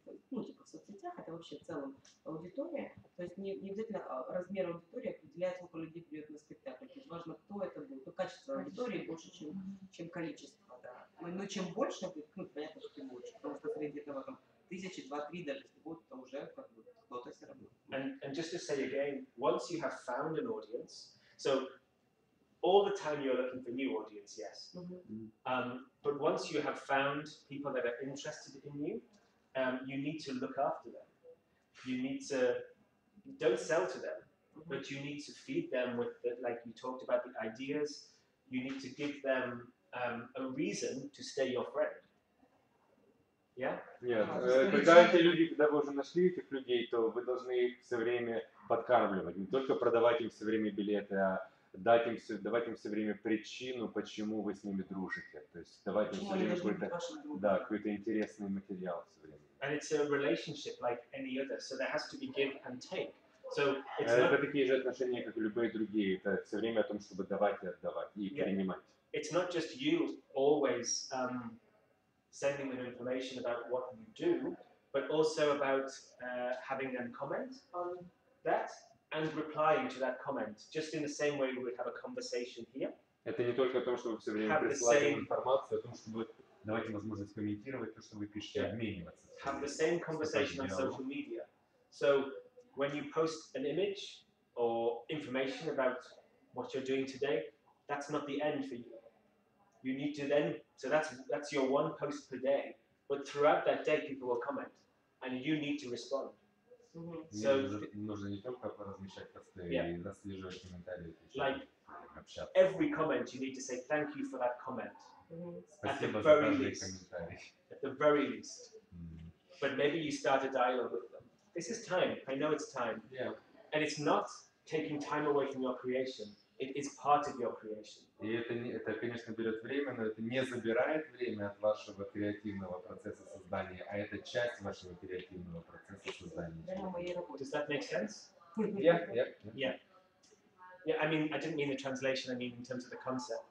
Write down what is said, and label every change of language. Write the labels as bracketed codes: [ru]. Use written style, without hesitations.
[ru] Ну, типа в соцсетях, это вообще в целом аудитория. То есть не обязательно размер аудитории определяет, сколько людей придет на спектакль. То есть важно, кто это будет, то качество аудитории больше, чем количество. Да. Но чем больше будет, ну, понятно, что ты больше. Потому что среди этого там 1000, 2, 3 даже будет, то уже как бы кто-то все равно. [en] And just to say again, once you have found an audience, so all the time you're looking for new audience, yes. But once you have found people that are interested in you, you need to look after them. You need to, don't sell to them, but you need to feed them with, like you talked about, the ideas. You need to give them a reason to stay your friend. Yeah? Yeah. [ru] Когда эти люди, когда вы уже нашли этих людей, то вы должны их все время подкармливать. Не только продавать им все время билеты, а давать им все время причину, почему вы с ними дружите. То есть давать им все время какой-то интересный материал все время. [en] And it's a relationship like any other, so there has to be give and take. So [ru] это такие же отношения, как и любые другие. Это все время о том, чтобы давать и отдавать и принимать. [en] It's not just you always sending them information about what you do, but also about having them comment on that and replying to that comment, just in the same way we would have a conversation here. [ru] Это не только о том, чтобы все время присылать информацию, о том, чтобы давать им возможность комментировать то, что вы пишете, обмениваться. [en] Have the same conversation on social media. So when you post an image or information about what you're doing today, that's not the end for you. You need to then, so that's your one post per day, but throughout that day people will comment and you need to respond. Like every comment you need to say thank you for that comment. At the very least. But maybe you start a dialogue with them. This is time. I know it's time. Yeah. And it's not taking time away from your creation. It is part of your creation. [ru] И это конечно берет время, но это не забирает время от вашего креативного процесса создания, а это часть вашего креативного процесса создания. [en] Does that make sense? Yeah. Yeah, I mean, I didn't mean the translation. I mean in terms of the concept.